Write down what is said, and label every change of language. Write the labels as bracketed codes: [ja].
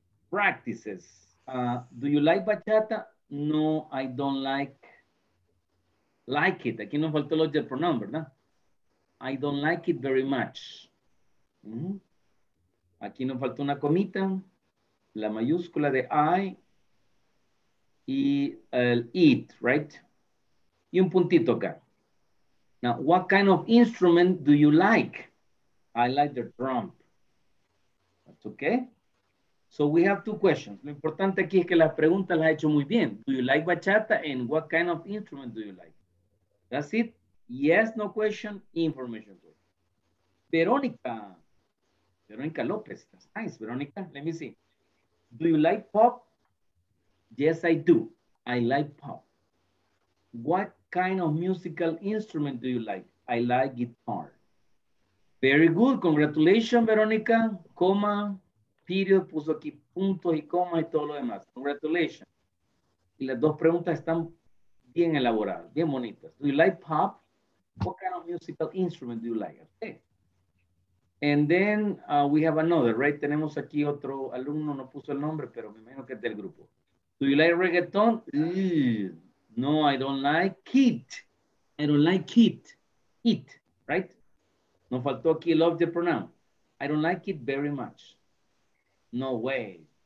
[en] Practices. Do you like bachata? No, I don't like it. [es] Aquí nos faltó el object pronoun, ¿verdad? [en] I don't like it very much. [es] Aquí nos faltó una comita, la mayúscula de I y el it, right? Y un puntito acá. [en] Now, what kind of instrument do you like? I like the drum. That's okay. So we have two questions. [es] Lo importante aquí es que las preguntas las ha hecho muy bien. [en] Do you like bachata? And what kind of instrument do you like? That's it. Yes, no question, information. Verónica. Verónica López. That's nice, Verónica. Let me see. Do you like pop? Yes, I do. I like pop. What kind of musical instrument do you like? I like guitar. Very good. Congratulations, Verónica. Coma. [es] Period, puso aquí puntos y comas y todo lo demás. Congratulations. Y las dos preguntas están bien elaboradas, bien bonitas. [en] Do you like pop? What kind of musical instrument do you like? Okay. And then we have another, right? [es] Tenemos aquí otro alumno, no puso el nombre, pero me imagino que es del grupo. [en] Do you like reggaeton? No, I don't like it. I don't like it. It, right? [es] Nos faltó aquí el object pronoun. [en] I don't like it very much. No way.